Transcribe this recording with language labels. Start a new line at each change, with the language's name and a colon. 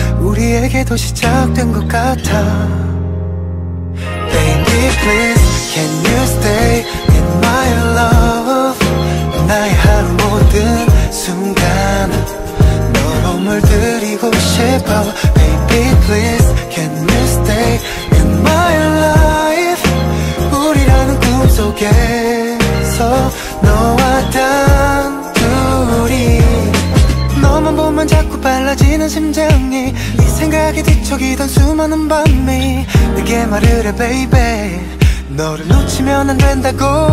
Korean: 우리에게도 시작된 것 같아.
English: Baby please Can you stay in my love?
Korean: 나의 하루 모든 순간 너로 물들이고 싶어.
English: Baby please, can you stay in my life?
Korean: 우리라는 꿈속에서 너와 단 둘이. 너만 보면 자꾸 빨라지는 심장이, 네 생각에 뒤척이던 수많은 밤이 내게 말을 해. Baby, 너를 놓치면 안 된다고.